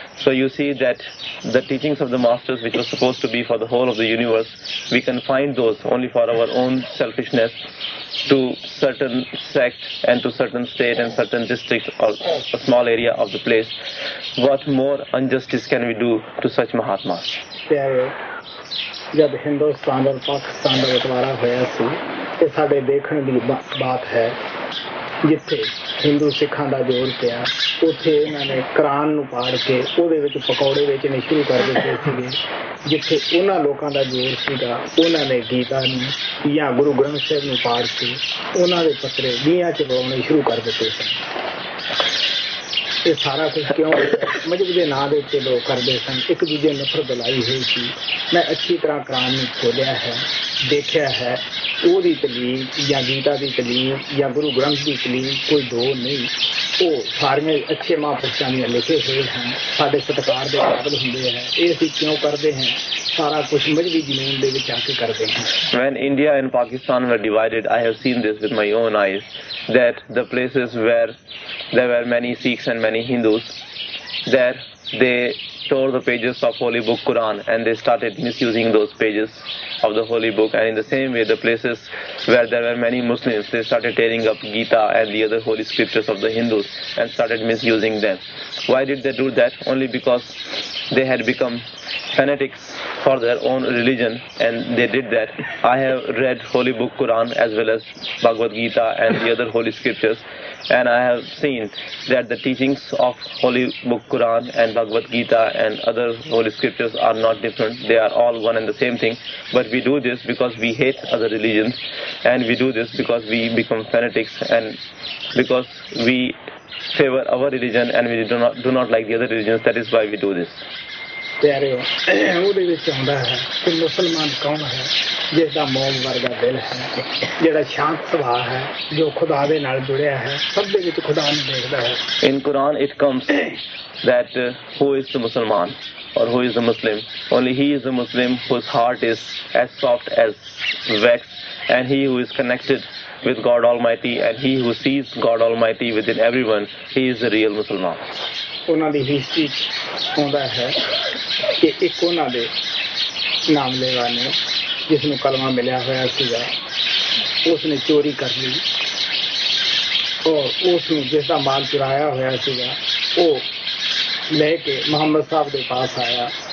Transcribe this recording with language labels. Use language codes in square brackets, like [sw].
[en] So you see that the teachings of the masters which were supposed to be for the whole of the universe, we confined those only for our own selfishness to certain sect and to certain state and certain districts or a small area of the place. What more injustice can we do to such Mahatmas? [pa] ਜਦ ਹਿੰਦੁਸਤਾਨ ਔਰ ਪਾਕਿਸਤਾਨ ਦਾ ਬਟਵਾਰਾ ਹੋਇਆ ਸੀ ਤੇ ਸਾਡੇ ਦੇਖਣ ਦੀ ਬਾਤ ਹੈ ਜਿੱਥੇ ਹਿੰਦੂ ਸਿੱਖਾਂ ਦਾ ਜੋੜ ਪਿਆ ਉੱਥੇ ਇਹਨਾਂ ਨੇ ਕੁਰਾਨ ਨੂੰ ਪਾੜ ਕੇ ਉਹਦੇ ਵਿੱਚ ਪਕੌੜੇ ਵੇਚਣੇ ਸ਼ੁਰੂ ਕਰ ਦਿੱਤੇ ਸੀਗੇ ਜਿੱਥੇ ਉਹਨਾਂ ਲੋਕਾਂ ਦਾ ਜੋੜ ਸੀਗਾ ਉਹਨਾਂ ਨੇ ਗੀਤਾ ਨੂੰ ਜਾਂ ਗੁਰੂ ਗ੍ਰੰਥ ਸਾਹਿਬ ਨੂੰ ਪਾੜ ਕੇ ਉਹਨਾਂ ਦੇ ਪੱਤਰੇ ਮੀਆਂ 'ਚ ਲਵਾਉਣੇ ਸ਼ੁਰੂ ਕਰ ਦਿੱਤੇ ਸਨ ਇਹ ਸਾਰਾ ਕੁਝ ਕਿਉਂ ਮਜ਼ਹਬ ਦੇ ਨਾਂ ਦੇ ਉੱਤੇ ਲੋਕ ਕਰਦੇ ਸਨ ਇੱਕ ਦੂਜੇ ਨਫ਼ਰਤ ਲਾਈ ਹੋਈ ਸੀ ਮੈਂ ਅੱਛੀ ਤਰ੍ਹਾਂ ਕੁਰਾਨ ਨੂੰ ਖੋਲਿਆ ਹੈ ਦੇਖਿਆ ਹੈ ਉਹ ਦੀ ਤਲੀਮ ਜਾਂ ਗੀਤਾ ਦੀ ਤਲੀਮ ਜਾਂ ਗੁਰੂ ਗ੍ਰੰਥ ਦੀ ਤਲੀਮ ਕੋਈ ਦੋ ਨਹੀਂ, ਉਹ ਸਾਰੀਆਂ ਅੱਛੇ ਮਹਾਂਪੁਰਸ਼ਾਂ ਦੀਆਂ ਲਿਖੇ ਹੋਏ ਹਨ, ਸਾਡੇ ਸਤਿਕਾਰ ਦੇ ਕਾਬਲ ਹੁੰਦੇ ਹੈ, ਇਹ ਅਸੀਂ ਕਿਉਂ ਕਰਦੇ ਹਾਂ, ਸਾਰਾ ਕੁਛ ਮਜ਼ਹਬੀ ਜ਼ਮੀਨ ਦੇ ਵਿੱਚ ਆ ਕੇ ਕਰਦੇ ਹਾਂ। [en] When India and Pakistan were divided, I have seen this with my own eyes, that the places where there were many Sikhs and many Hindus, there they tore the pages of holy book Quran and they started misusing those pages of the holy book, and in the same way the places where there were many Muslims, they started tearing up Gita and the other holy scriptures of the Hindus and started misusing them. Why did they do that? Only because they had become fanatics for their own religion and they did that. I have read holy book Quran as well as Bhagavad Gita and the other holy scriptures, and I have seen that the teachings of holy book Quran and Bhagavad Gita and other holy scriptures are not different. They are all one and the same thing. But we do this because we hate other religions, and we do this because we become fanatics, and because we favor our religion and we do not like the other religions, that is why we do this. [pa] ਉਹਦੇ ਵਿੱਚ ਆਉਂਦਾ ਹੈ ਕਿ ਮੁਸਲਮਾਨ ਕੌਣ ਹੈ ਜਿਸਦਾ ਮੋਮ ਵਰਗਾ ਦਿਲ ਹੈ, ਜਿਹੜਾ ਸ਼ਾਂਤ ਸੁਭਾਅ ਹੈ, ਜੋ ਖੁਦਾ ਦੇ ਨਾਲ ਜੁੜਿਆ ਹੈ, ਸਭ ਦੇ ਵਿੱਚ ਖੁਦਾ ਨੂੰ ਦੇਖਦਾ ਹੈ। [en] In Quran it comes that who is the Musalman or who is a Muslim, only he is a Muslim whose heart is as soft as wax, and he who is connected with God Almighty, and he who sees God Almighty within everyone, he is a real Muslim. [pa] ਉਹਨਾਂ ਦੀ history ਹੁੰਦਾ ਹੈ ਕਿ ਇੱਕ ਉਹਨਾਂ ਦੇ ਨਾਮ ਲੇਵਾ ਨੇ ਜਿਸ ਨੂੰ ਕਲਮਾ ਮਿਲਿਆ ਹੋਇਆ ਸੀਗਾ, ਉਸ ਨੇ ਚੋਰੀ ਕਰ ਲਈ ਔਰ ਉਸ ਨੂੰ ਜਿਸਦਾ ਮਾਲ ਚੁਰਾਇਆ ਹੋਇਆ ਸੀਗਾ ਉਹ ਲੈ ਕੇ ਮੁਹੰਮਦ ਸਾਹਿਬ ਦੇ ਪਾਸ ਆਇਆ।